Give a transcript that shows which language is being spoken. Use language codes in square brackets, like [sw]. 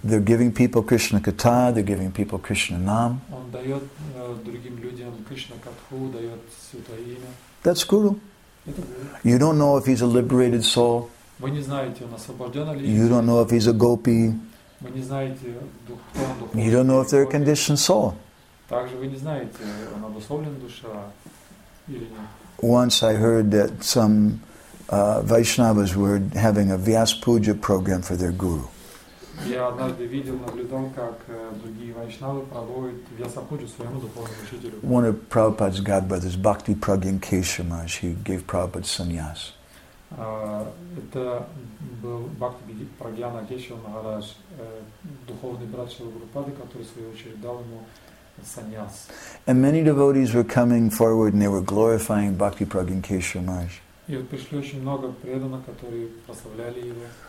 [en] They're giving people Krishna Katha, they're giving people Krishna Nam. [ru] Он дает другим людям Кришна Катху, дает святое имя. [en] That's guru. You don't know if he's a liberated soul. [ru] Вы не знаете, он освобожден или нет. [en] You don't know if he's a gopi. [ru] Вы не знаете, кто он духовный. [en] You don't know if they're a conditioned soul. [ru] Также вы не знаете, он обусловлен душа или нет. [en] Once I heard that some Vaishnavas were having a Vyas Puja program for their guru. [ru] Я однажды видел, наблюдал, как другие вайшнавы проводят вьясапуджу своему духовному учителю. [en] One of Prabhupada's godbrothers, Bhakti Pragyan Keshamaj, he gave Prabhupada sannyas. [ru] Это был Бхакти Прагьян Кешава Махарадж, духовный брат Шрилы Прабхупады, который в свою очередь дал ему сannyas. [en] And many devotees were coming forward and they were glorifying Bhakti Pragyan Keshamaj. [ru] И вот пришли очень много преданных, которые прославляли его.